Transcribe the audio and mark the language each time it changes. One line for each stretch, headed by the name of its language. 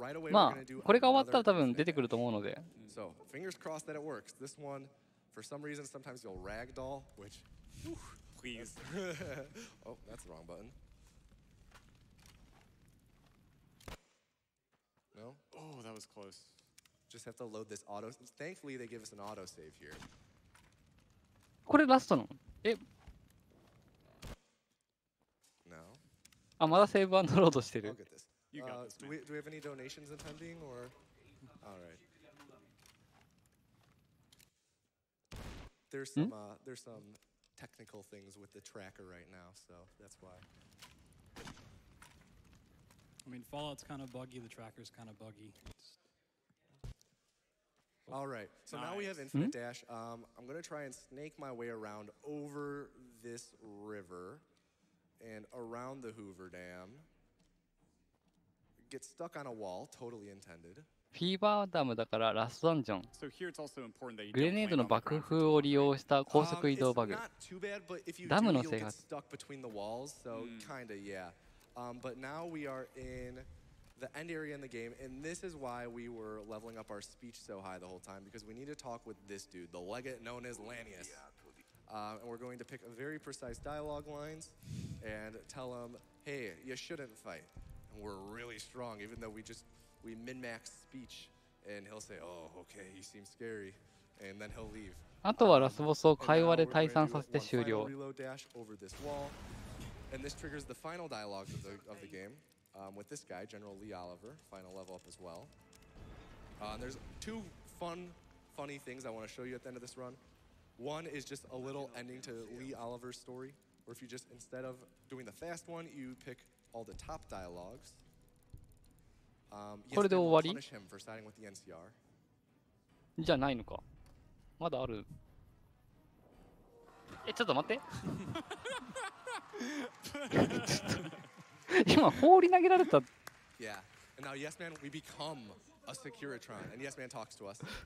Japanese: まあこれが終わったら多分出てくると思うので。
English: So, fingers crossed that it works. This one, for some reason, sometimes you'll ragdoll, which... Please. Oh, that's the wrong button. No? Oh, that was close. Just have to load this auto... Thankfully, they give us an autosave here.
Japanese: これラストの？え？
English: No?
Japanese: あ、まだセーブアンドロードしてる。
English: I'll get this. You got this, man. Do we have any donations attending, or...? All right. There's some technical things with the tracker right now, so that's why. I mean, Fallout's kind of buggy, the tracker's kind of buggy. All right, so now we have infinite dash. I'm going to try and snake my way around over this river and around the Hoover Dam. Get stuck on a wall, totally intended.
Japanese: フィーバーダムだからラストダンジョン。
English: So、here it's also important that you
Japanese: グレネードの爆風を利用した高速移動バグ。
English: Bad,
Japanese: ダムの制圧。
English: Walls, so kinda, yeah. But now we are in the end area in the game, and this is why we were leveling up our speech so high the whole time, because we need to talk with this dude, the legate known as Lanius. And we're going to pick a very precise dialogue lines and tell him, hey, you shouldn't fight. And we're really strong, even though we just. We min-max speech, and he'll say, oh, okay, he seems scary, and then he'll leave.
Japanese: あとはラスボスを会話で退散させて終了。
English: Reload dash over this wall, and this triggers the final dialogue of the game, with this guy, General Lee Oliver, final level up as well. There's two funny things I want to show you at the end of this run. One is just a little ending to Lee Oliver's story, where if you just, instead of doing the fast one, you pick all the top dialogues.
Japanese: これで終わり？じゃないのか。まだある。え、ちょっと待って。ちょっと今放り投げられた。
English: Yeah. And now, yes, man, we become a Securitron, and yes, man talks to us.